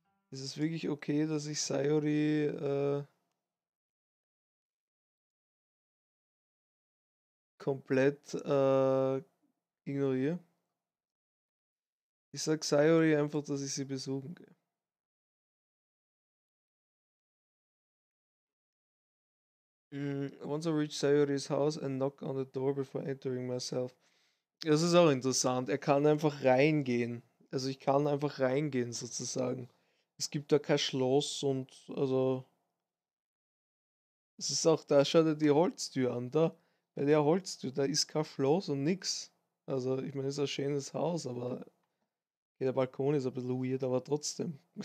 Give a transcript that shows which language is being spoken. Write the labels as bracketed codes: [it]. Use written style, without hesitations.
[de] Ist es wirklich okay, dass ich Sayori komplett ignoriere. Ich sag Sayori einfach, dass ich sie besuchen gehe. [en] Once I reach Sayori's house, I knock on the door before entering myself. [de] Das ist auch interessant. Er kann einfach reingehen. Also ich kann einfach reingehen, sozusagen. Es gibt da kein Schloss und also es ist auch, da schaut er die Holztür an, da. Bei der Holztür, da ist kein Schloss und nix. Also, ich meine, ist ein schönes Haus, aber der Balkon ist ein bisschen weird, aber trotzdem.